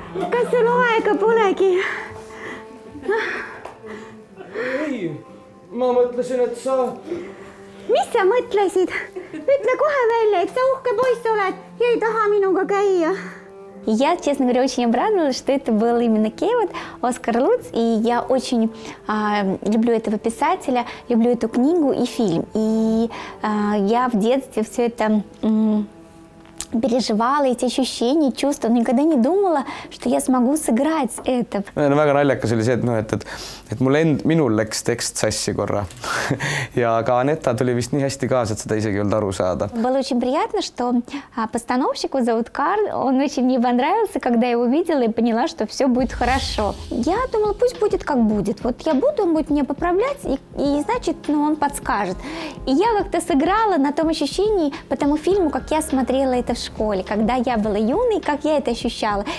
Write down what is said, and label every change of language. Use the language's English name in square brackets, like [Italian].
[Estonian] Kas sul aega polegi? Ei, ma mõtlesin, et sa... Mis sa mõtlesid? Ütle kohe välja, et sa uhke poiss oled ja ei taha minuga käia. [Russian] Я, честно говоря, очень обрадовалась, что это был именно Кевад, Оскар Луц, и я очень люблю этого писателя, люблю эту книгу и фильм. И я в детстве все это переживала, эти ощущения, чувства, но никогда не думала, что я смогу сыграть это. [Estonian] Ну, väga naljakas oli see, et, ну, et mul end, minul läks tekst sassi korra. Ja ka Anetta tuli vist nii hästi kaasa, et seda isegi olnud aru saada. [Russian] Было очень приятно, что постановщику зовут Карл, он очень мне понравился, когда я его видела и поняла, что все будет хорошо. Я думала, пусть будет, как будет. Вот я буду, он будет меня поправлять, и значит, ну, он подскажет. И я как-то сыграла на том ощущении по тому фильму, как я смотрела это в школе, когда я была юной, как я это ощущала.